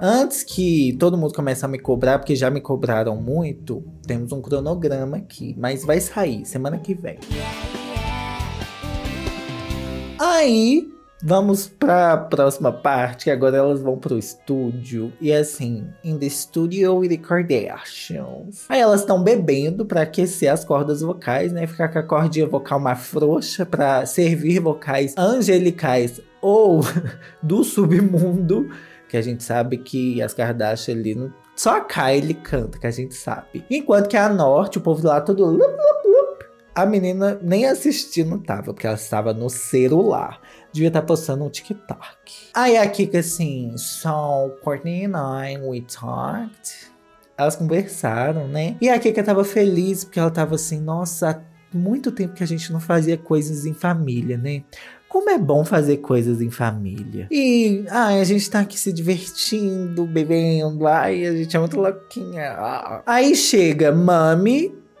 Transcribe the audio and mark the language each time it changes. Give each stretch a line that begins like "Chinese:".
Portuguese: Antes que todo mundo comece a me cobrar, porque já me cobraram muito, temos um cronograma aqui. Mas vai sair semana que vem. Aí, vamos pra próxima parte, que agora elas vão pro estúdio. E assim,
English: in the studio with the Kardashians.
Portuguese: Aí elas estão bebendo pra aquecer as cordas vocais, né? Ficar com a cordinha vocal mais frouxa pra servir vocais angelicais ou do submundo. Que a gente sabe que as Kardashians ali, só a Kylie canta, que a gente sabe. Enquanto que a Norte, o povo lá todo... A menina nem assistindo tava, porque ela estava no celular. Devia estar postando um TikTok. Aí a Kika assim,
English: so Courtney and I, we talked.
Portuguese: Elas conversaram, né? E a Kika tava feliz, porque ela tava assim, nossa, há muito tempo que a gente não fazia coisas em família, né? Como é bom fazer coisas em família. E ai, a gente tá aqui se divertindo, bebendo. Ai, a gente é muito louquinha. Aí chega, mami.